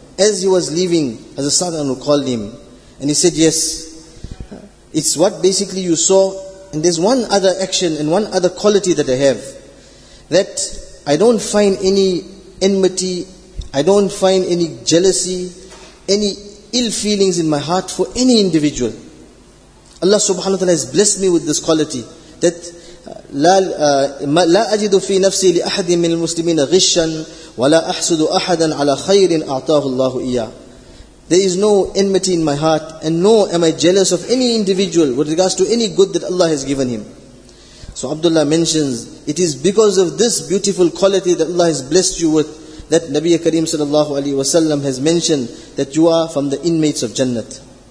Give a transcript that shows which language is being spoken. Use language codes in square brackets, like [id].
[en] As he was leaving, Hazrat Sa'd anhu called him and he said, yes, it's what basically you saw, and there's one other action and one other quality that I have, that I don't find any enmity, I don't find any jealousy, any ill feelings in my heart for any individual. Allah subhanahu wa ta'ala has blessed me with this quality, that [ar] لا أجد في نفسي لأحد من المسلمين غشا ولا أحسد أحدا على خير أعطاه الله إياه. [en] There is no enmity in my heart, and no am I jealous of any individual with regards to any good that Allah has given him. So Abdullah mentions, it is because of this beautiful quality that Allah has blessed you with, that Nabi Kareem sallallahu alayhi wa sallam has mentioned that you are from the inmates of Jannat.